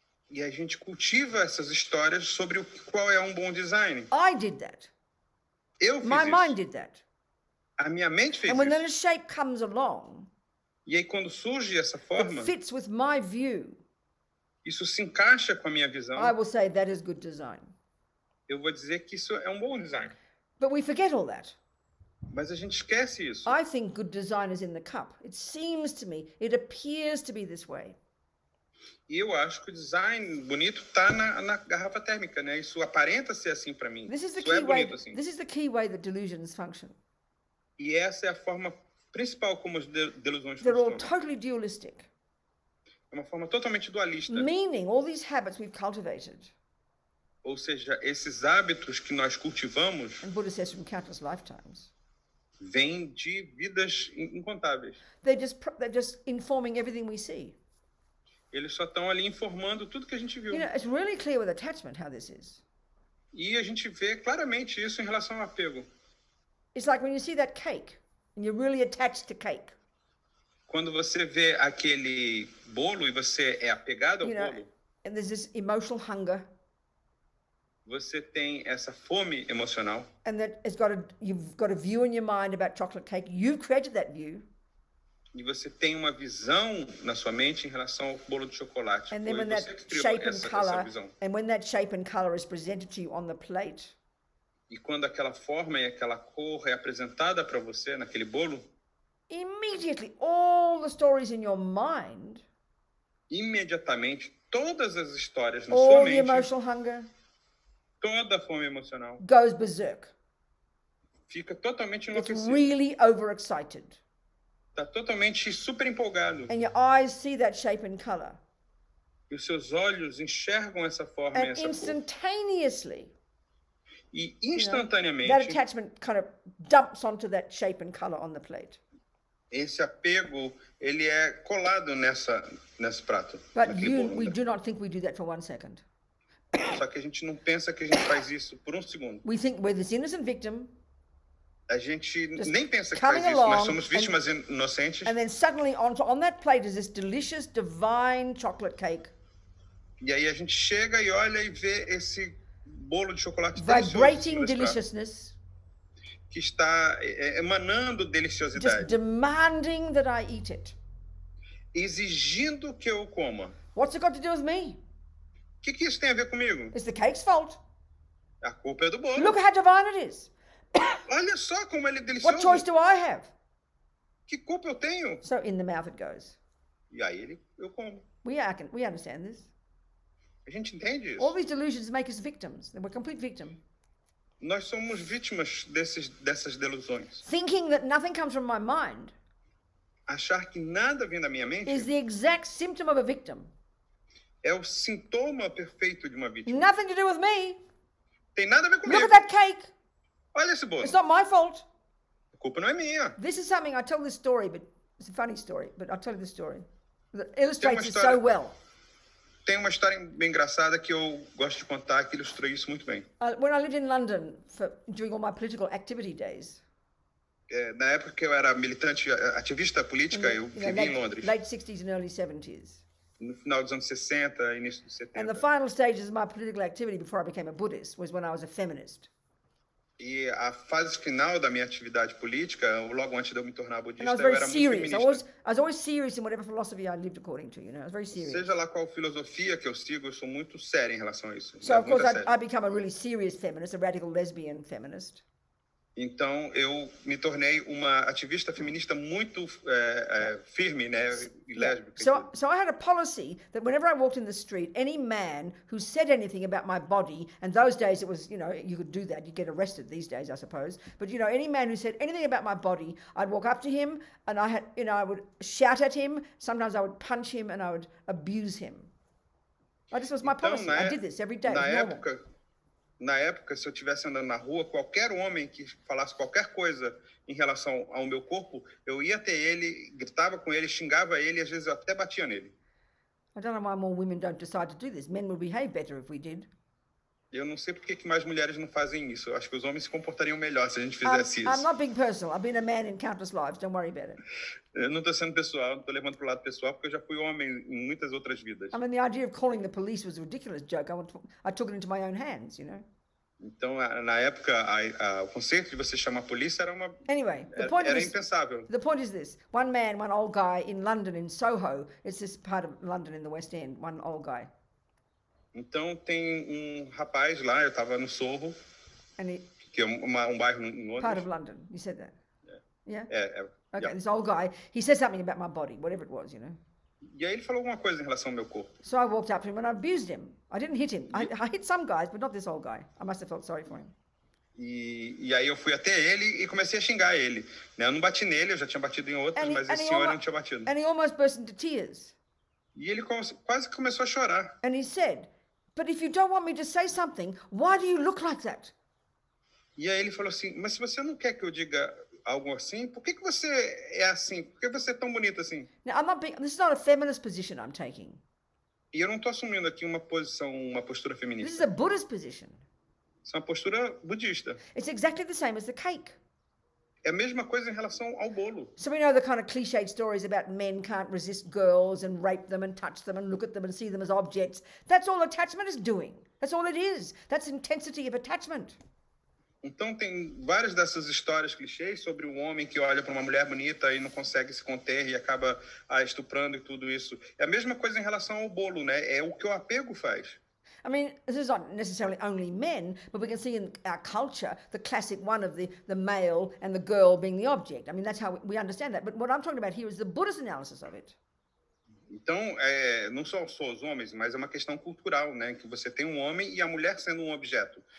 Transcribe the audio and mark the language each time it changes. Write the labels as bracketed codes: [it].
[pt] E a gente cultiva essas histórias sobre qual é um bom design. [en] I did that. [pt] Eu fiz [en] my [pt] isso. [en] Mind did that. [pt] A minha mente fez [en] and when [pt] isso. [en] Then a shape comes along. [pt] E aí quando surge essa forma, [en] it fits with my view. [pt] Isso se encaixa com a minha visão. [en] I will say that is good design. [pt] Eu vou dizer que isso é um bom design. [en] But we forget all that. [pt] Mas a gente esquece isso. [en] I think good design is in the cup. It seems to me, it appears to be this way. [pt] E eu acho que o design bonito está na garrafa térmica, né? Isso aparenta ser assim para mim. [en] This is the [pt] isso [en] key [pt] é [en] way, [pt] bonito assim. [en] This is the key way that delusions function. [pt] E essa é a forma principal como as delusões funcionam. [en] They're all totally dualistic. [pt] É uma forma totalmente dualista. [en] Meaning, all these habits we've cultivated. [pt] Ou seja, esses hábitos que nós cultivamos. [en] And Buddha says from countless lifetimes. [pt] vêm de vidas incontáveis. [en] They're just informing everything we see. [pt] Eles só estão ali informando tudo que a gente viu. [en] You know, it's really clear with attachment how this is. [pt] E a gente vê claramente isso em relação ao apego. [en] It's like when you see that cake and you're really attached to cake. [pt] Quando você vê aquele bolo e você é apegado ao [en] you know, [pt] bolo. [en] And there's this emotional hunger. [pt] Você tem essa fome emocional. [en] And that has got a, you've got a view in your mind about chocolate cake. You've created that view. [pt] E você tem uma visão na sua mente em relação ao bolo de chocolate. [en] And then when that shape and color, and when that shape and color is presented to you on the plate. [pt] E quando aquela forma e aquela cor é apresentada para você naquele bolo. [en] Immediately, all the stories in your mind. [pt] Imediatamente, todas as histórias na sua mente. [en] All the emotional hunger. [pt] Toda a fome emocional. [en] Goes berserk. [pt] Fica totalmente enlouquecido. [en] It's really overexcited. [pt] Está totalmente super empolgado. [en] And your eyes see that shape and color. [pt] E os seus olhos enxergam essa forma e essa [en] instantaneously, [pt] cor. E instantaneamente. [en] You know, that attachment kind of dumps onto that shape and color on the plate. [pt] Esse apego, ele é colado nesse prato. [en] But you, we do not think we do that for one second. [pt] Só que a gente não pensa que a gente faz isso por um segundo. [en] We think we're this innocent victim. [pt] A gente nem pensa que faz isso, mas somos vítimas inocentes. [en] And then suddenly on that plate is this delicious, divine chocolate cake. [pt] E aí a gente chega e olha e vê esse bolo de chocolate [en] vibrating deliciousness. [pt] Que está emanando deliciosidade. [en] Just demanding that I eat it. [pt] Exigindo que eu coma. [en] What's it got to do with me? [pt] Que isso tem a ver comigo? [en] It's the cake's fault. [pt] A culpa é do bolo. [en] Look how divine it is. [pt] Olha só como ele é delicioso. [en] What choice do I have? [pt] Que culpa eu tenho? [en] So in the mouth it goes. [pt] E aí eu como. [en] We understand this. [pt] A gente entende isso. [en] All these delusions make us victims. We're a complete victim. [pt] Nós somos vítimas dessas delusões. [en] Thinking that nothing comes from my mind. [pt] Achar que nada vem da minha mente. [en] Is the exact symptom of a victim. [pt] É o sintoma perfeito de uma vítima. [en] Nothing to do with me. [pt] Tem nada a ver comigo. [en] Look at that cake. [pt] Olha esse bolo. [en] It's not my fault. [pt] A culpa não é minha. [en] This is something I tell this story, but it's a funny story, but I'll tell you this story. That illustrates it so well. [pt] Tem uma história bem engraçada que eu gosto de contar que ilustra isso muito bem. [en] When I lived in London for during all my political activity days. [pt] Na época que eu era militante ativista política, eu vivi em Londres. [en] Late 60s and early 70s. [pt] No final dos anos 60, início dos 70. [en] And the final stages of my political activity before I became a Buddhist was when I was a feminist. [pt] E a fase final da minha atividade política, logo antes de eu me tornar budista, [en] I was very serious. [pt] Muito feminista. [en] I was always serious in whatever philosophy I lived according to, you know. I was very serious. [pt] Seja lá qual filosofia que eu sigo, eu sou muito sério em relação a isso. [en] So, of course, I become a really serious feminist, a radical lesbian feminist. [pt] Então, eu me tornei uma ativista feminista muito firme, né, e lésbica. [en] So I had a policy that whenever I walked in the street, any man who said anything about my body, and those days it was, you know, you could do that, you'd get arrested these days, I suppose, but, you know, any man who said anything about my body, I'd walk up to him, and I had, you know, I would shout at him, sometimes I would punch him, and I would abuse him. This was my policy. [pt] Então, [en] I did this every day. [pt] Na época, se eu estivesse andando na rua, qualquer homem que falasse qualquer coisa em relação ao meu corpo, eu ia até ele, gritava com ele, xingava ele e às vezes eu até batia nele. [en] I don't know why more women don't decide to do this. Men would behave better if we did. [pt] Eu não sei por que mais mulheres não fazem isso. Eu acho que os homens se comportariam melhor se a gente fizesse isso. [en] I'm not being personal. I've been a man in countless lives. Don't worry about it. [pt] Eu não estou sendo pessoal. Não estou levando para o lado pessoal porque eu já fui homem em muitas outras vidas. [en] I mean, the idea of calling the police was a ridiculous joke. I took it into my own hands, you know. [pt] Então, na época, o conceito de você chamar a polícia era uma... [en] Anyway, [pt] impensável. [en] The point is this. One man, one old guy in London, in Soho. It's this part of London in the West End. One old guy. [pt] Então, tem um rapaz lá, eu estava no Soho, que é um bairro em Londres. [en] Part of London, you said that? Yeah. Okay, this old guy, he said something about my body, whatever it was, you know. [pt] E aí ele falou alguma coisa em relação ao meu corpo. [en] So I walked up to him and I abused him. I didn't hit him. I hit some guys, but not this old guy. I must have felt sorry for him. [pt] E aí eu fui até ele e comecei a xingar ele. Né? Eu não bati nele, eu já tinha batido em outros, mas esse senhor não tinha batido. [en] And he almost burst into tears. [pt] E ele quase começou a chorar. [en] And he said... But if you don't want me to say something, why do you look like that? [pt] E aí ele falou assim, mas se você não quer que eu diga algo assim? Por que que você é assim? Por que você é tão bonita assim? [en] Now, I'm not being, this is not a feminist position I'm taking. [pt] E eu não estou assumindo aqui uma posição, uma postura feminista. [en] This is a Buddhist position. [pt] Isso é uma postura budista. [en] It's exactly the same as the cake. [pt] É a mesma coisa em relação ao bolo. [en] So we know the kind of cliched stories about men can't resist girls and rape them and touch them and look at them and see them as objects. That's all attachment is doing. That's all it is. That's intensity of attachment. [pt] Então tem várias dessas histórias clichês sobre um homem que olha para uma mulher bonita e não consegue se conter e acaba estuprando e tudo isso. É a mesma coisa em relação ao bolo, né? É o que o apego faz. [en] I mean, this is not necessarily only men, but we can see in our culture the classic one of the male and the girl being the object. I mean, that's how we understand that. But what I'm talking about here is the Buddhist analysis of it. [pt] Então, não são só os homens, mas é uma questão cultural, né? Que você tem um homem e a mulher sendo um objeto.